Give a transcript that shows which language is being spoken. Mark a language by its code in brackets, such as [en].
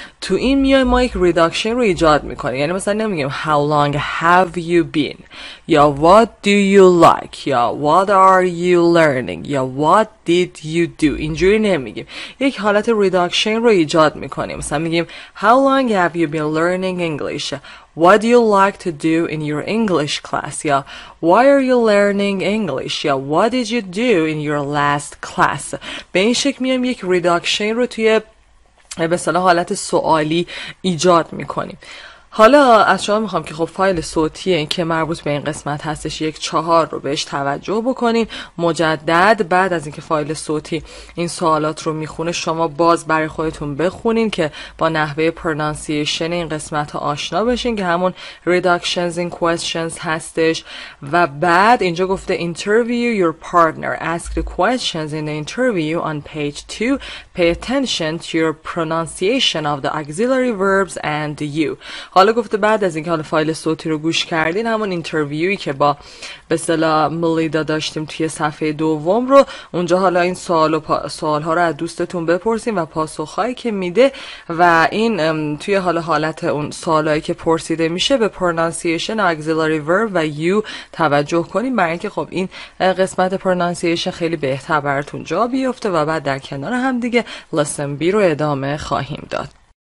[fa] تو این میای ما یک ریداکشن رو ایجاد میکنیم. یعنی مثلا نمیگیم [en] how long have you been یا what do you like یا what are you learning یا what did you do. [fa] اینجوری نمیگیم، یک حالت ریداکشن رو ایجاد میکنیم. مثلا میگیم [en] how long have you been learning English. What do you like to do in your English class? Yeah. Why are you learning English? Yeah. What did you do in your last class? [fa] به این شکل میام یک ریداکشن رو توی به اصطلاح حالت سوالی ایجاد میکنیم. حالا از شما میخوام که خب فایل صوتی این که مربوط به این قسمت هستش 1-4 رو بهش توجه بکنین مجدد. بعد از اینکه فایل صوتی این سوالات رو میخونه شما باز برای خودتون بخونین که با نحوه پرنانسیشن این قسمت ها آشنا بشین که همون [en] reductions in questions [fa] هستش. و بعد اینجا گفته [en] interview your partner, ask the questions in the interview on page 2, pay attention to your pronunciation of the auxiliary verbs and you. [fa] حالا گفته بعد از اینکه حالا فایل صوتی رو گوش کردین همون اینترویوی که با به اصطلاح ملیدا داشتیم توی صفحه دوم رو اونجا حالا این سوال‌ها رو از دوستتون بپرسین و پاسخ‌هایی که میده و این توی حالا حالت اون سوالایی که پرسیده میشه به پرنانسیشن اگزیلری ورب و یو توجه کنین برای اینکه خب این قسمت پرنانسیشن خیلی بهتر براتون جا بیفته و بعد در کنار هم دیگه لسن بی رو ادامه خواهیم داد.